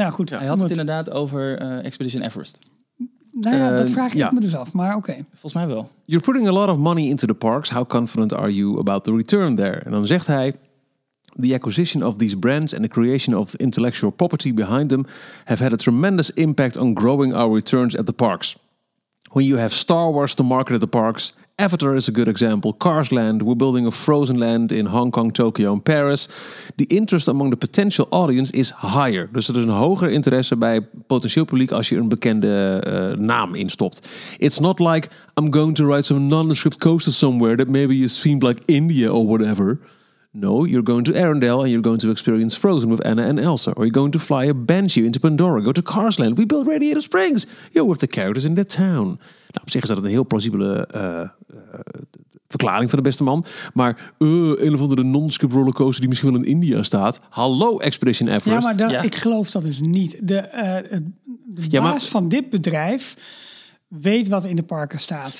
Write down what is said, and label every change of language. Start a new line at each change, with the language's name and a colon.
Dutch: Hij had het inderdaad over Expedition Everest. Dat vraag ik me dus af, maar oké. Volgens mij wel.
English: You're putting a lot of money into the parks. How confident are you about the return there?
Dutch: En dan zegt hij...
English: The acquisition of these brands and the creation of intellectual property behind them have had a tremendous impact on growing our returns at the parks. When you have Star Wars to market at the parks, Avatar is a good example, Cars Land, we're building a Frozen Land in Hong Kong, Tokyo and Paris. The interest among the potential audience is higher.
Dutch: Dus er is een hoger interesse bij potentieel publiek als je een bekende naam instopt.
English: It's not like I'm going to ride some nondescript coaster somewhere that maybe is themed like India or whatever. No, you're going to Arendelle and you're going to experience Frozen with Anna and Elsa. Or you're going to fly a Banshee into Pandora. Go to Carsland. We build Radiator Springs. You're with the characters in that town.
Dutch: Nou, op zich is dat een heel plausibele verklaring van de beste man. Maar een of andere non-scoop rollercoaster die misschien wel in India staat. Hallo, Expedition Everest. Ja, maar ik geloof dat dus niet. De baas van dit bedrijf weet wat in de parken staat.